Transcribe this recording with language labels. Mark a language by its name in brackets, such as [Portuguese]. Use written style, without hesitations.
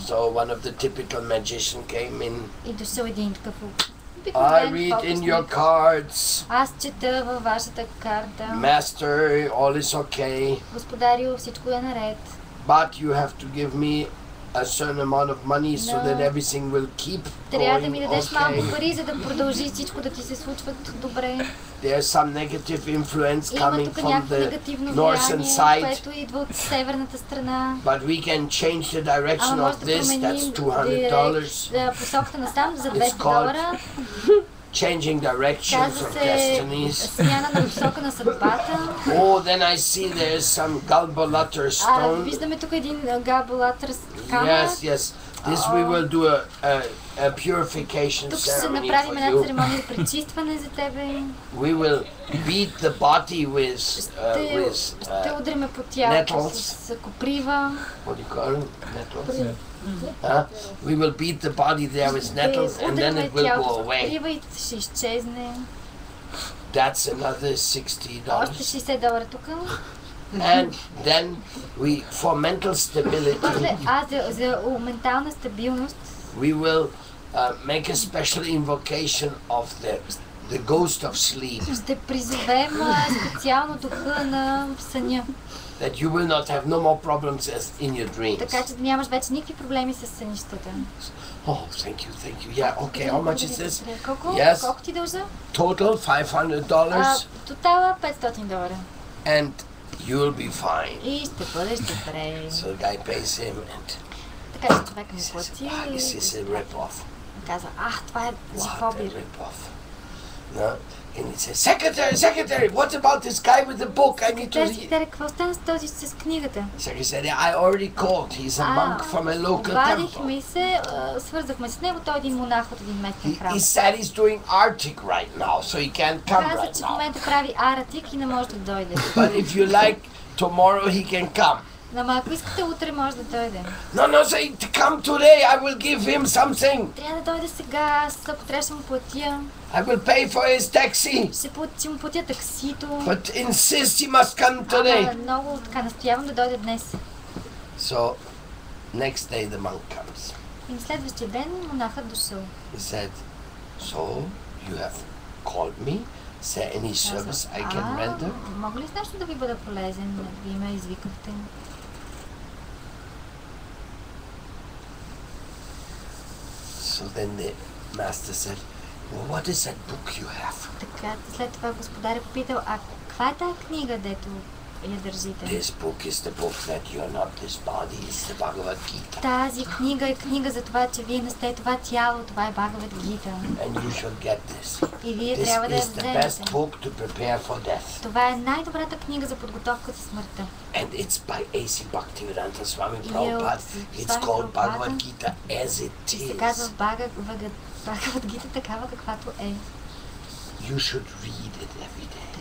[English] So one of the typical magician came in. [Bulgarian] И дошъл един такъв [English] I read in your cards. [Bulgarian] Аз чета във вашата карта. [English] Master, all is okay. [Bulgarian] Господарю, всичко е наред. [English] But you have to give me a certain amount of money so that everything will keep going. [Bulgarian] Трябва да ми дадеш малко пари, за да продължи всичко да ти се случва добре. [English] There's some negative influence coming from the northern side. [Bulgarian] Което идва от северната страна. [English] But we can change the direction of this. That's $200. [Bulgarian] Посоката насам за $200. [English] Changing directions of destinies. [Bulgarian] Смяна на посока на съдбата. [English] Oh, then I see there's some Galbalatar stone. [Bulgarian] Виждаме тук един Galbalatar камък. [English] Yes. This we will do a purification [Bulgarian] тук [English] ceremony. [Bulgarian] Тук ще направим една церемония пречистване за тебе. [English] We will beat the body with [Bulgarian] ще удреме по тялото с коприва. [English] What do you call it? Nettles. We will beat the body there with nettles and then it will go away. [Bulgarian] Ще изчезне. [English] That's another $60. [Bulgarian] Още $60 тук. [English] And then we for mental stability. [Bulgarian] За ментална стабилност. [English] We will make a special invocation of the ghost of sleep. [Bulgarian] Ще призовем специално духа на съня. [English] That you will not have no more problems as in your dreams. [Bulgarian] Така че нямаш вече никакви проблеми с сънищата. [English] Oh, thank you. Yeah, okay. How much is this? [Bulgarian] Yes. Колко ти дължа? [English] Total $500. [Bulgarian] Тотала $500. [English] And you'll be fine. [Bulgarian] И ще бъдеш добре. [English] So the guy pays him and [Bulgarian] така че човек ми плати. [English] This is a rip-off. [Bulgarian] Каза, това е зифобир. [English] What a rip-off. No? And he says, secretary, what about this guy with the book? I need to read. [Bulgarian] Секретаря, какво стана с този с книгата? [English] Secretary, I already called. He's a monk from a local temple. [Bulgarian] Обадихме се, свързахме с него. Той е един монах от един местен храм. [English] He said he's doing Arctic right now, so he can't come right now. [Bulgarian] Каза, че в момента прави Арктик и не може да дойде. [English] But if you like, tomorrow he can come. [Bulgarian] Ама ако искате, утре може да дойде. [English] No, say, come today, I will give him something. [Bulgarian] Трябва да дойде сега, ако трябва ще му платя. [English] I will pay for his taxi. [Bulgarian] Ще му платя таксито. [English] But insist he must come today. [Bulgarian] Ама много настоявам да дойде днес. [English] So, next day the monk comes. [Bulgarian] И на следващия ден монахът дошъл. [English] He said, so you have called me? Is there any service I can render? [Bulgarian] Мога ли с нещо да ви бъда полезен? Вие ме извикахте. [English] So then the master said, well, what is that book you have? [Bulgarian] Така, след това господарят попитал, а каква е тая книга, дето я държите? [English] This book is the book that you are not this body, it's the Bhagavad Gita. [Bulgarian] Тази книга е книга за това, че вие не сте това тяло, това е Bhagavad Gita. [English] And you should get this. [Bulgarian] И вие трябва да я вземете. [English] This is the best book to prepare for death. [Bulgarian] Това е най-добрата книга за подготовка за смъртта. [English] And it's by A.C. Bhaktivedanta Swami Prabhupada. It's called Bhagavad Gita as it is. [Bulgarian] Се казва Bhagavad Gita такава каквато е. [English] You should read it every day.